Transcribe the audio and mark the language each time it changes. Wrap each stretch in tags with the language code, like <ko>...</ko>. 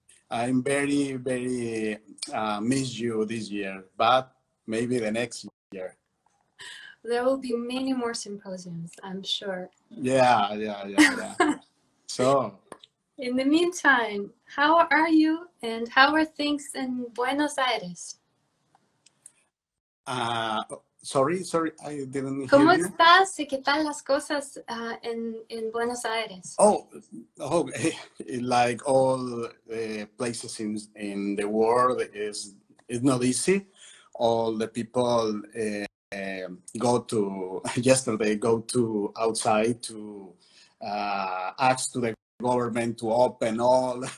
<en>I'm very, very miss you this year, but maybe the next year. There will be many more symposiums, I'm sure. Yeah. So, in the meantime, how are you and how are things in Buenos Aires? Sorry, I didn't hear.</en> <es>¿Cómo estás? ¿Y qué tal las cosas en Buenos Aires?</es> <en>Oh, okay. Like all places in the world, it's not easy. All the people go outside to ask to the government to open all.</en>